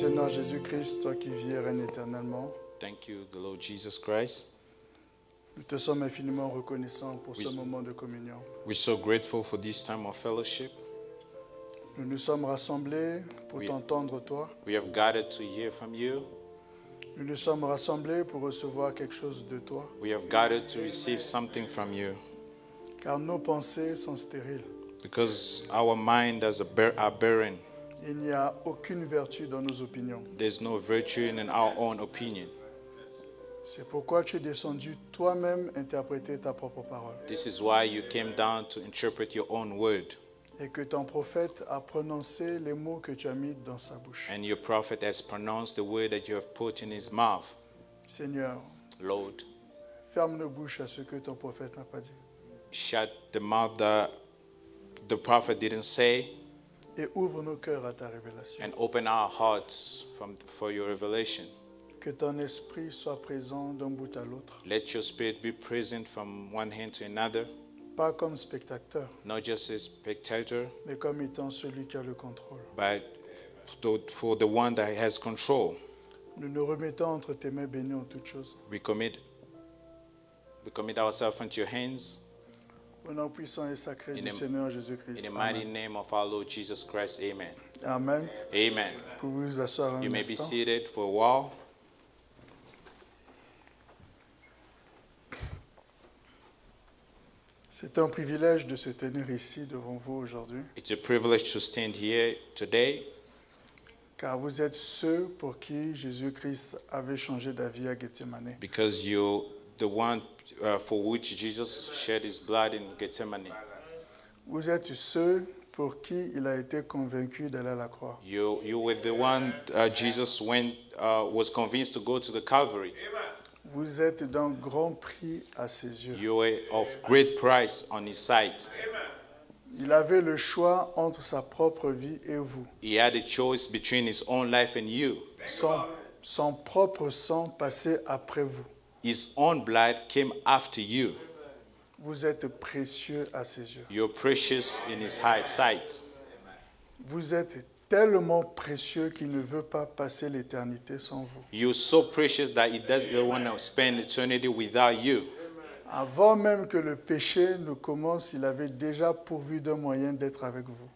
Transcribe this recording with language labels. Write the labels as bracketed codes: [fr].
[fr] Jésus-Christ, toi qui vis et règnes éternellement. [en] Thank you, the Lord Jesus Christ. [fr] Nous te sommes infiniment reconnaissants pour ce moment de communion. [en] We're so grateful for this time of fellowship. [fr] Nous nous sommes rassemblés pour t'entendre toi. [en] We have gathered to hear from you. [fr] Nous nous sommes rassemblés pour recevoir quelque chose de toi. [en] We have gathered to receive something from you. [fr] Car nos pensées sont stériles. [en] Because our mind is barren. [fr] Il n'y a aucune vertu dans nos opinions. [en] There's no virtue in our own opinion. [fr] C'est pourquoi tu es descendu toi-même interpréter ta propre parole. [en] This is why you came down to interpret your own word. [fr] Et que ton prophète a prononcé les mots que tu as mis dans sa bouche. [en] And your prophet has pronounced the word that you have put in his mouth. [fr] Seigneur, [en] Lord, [fr] ferme nos bouches à ce que ton prophète n'a pas dit. [en] Shut the mouth that the prophet didn't say. [fr] Et ouvre nos cœurs à ta révélation. [en] And open our hearts for your revelation. [fr] Que ton esprit soit présent d'un bout à l'autre. [en] Let your spirit be present from one hand to another. [fr] Pas comme spectateur. [en] Not just a spectator. [fr] Mais comme étant celui qui a le contrôle. [en] But for the one that has control. [fr] Nous nous remettons entre tes mains bénies en toutes choses. [en] We commit ourselves into your hands. [fr] Au nom puissant et sacré du Seigneur Jésus Christ. [en] In the mighty name of our Lord Jesus Christ. Amen. Amen. Amen. [fr] Pouvez-vous vous asseoir un instant? [en] You may be seated for a while. [fr] C'est un privilège de se tenir ici devant vous aujourd'hui. [en] It's a privilege to stand here today. [fr] Car vous êtes ceux pour qui Jésus-Christ avait changé d'avis à Gethsemane. [en] Because you're the one for which Jesus shed his blood in Gethsemane. [fr] Vous êtes ceux pour qui il a été convaincu d'aller à la croix. [en] You were the one Jesus went was convinced to go to the Calvary. [fr] Vous êtes d'un grand prix à ses yeux. [en] You are of great price on his sight. [fr] Il avait le choix entre sa propre vie et vous. [en] He had a choice between his own life and you. [fr] Son propre sang passait après vous. [en] His own blood came after you. [fr] Vous êtes précieux à ses yeux. [en] You are precious in his sight. [fr] Vous êtes tellement précieux qu'il ne veut pas passer l'éternité sans vous. [en] You're so precious that he doesn't want to spend eternity without you. [fr] Avant même que le péché ne commence, il avait déjà pourvu d'un moyen d'être avec vous.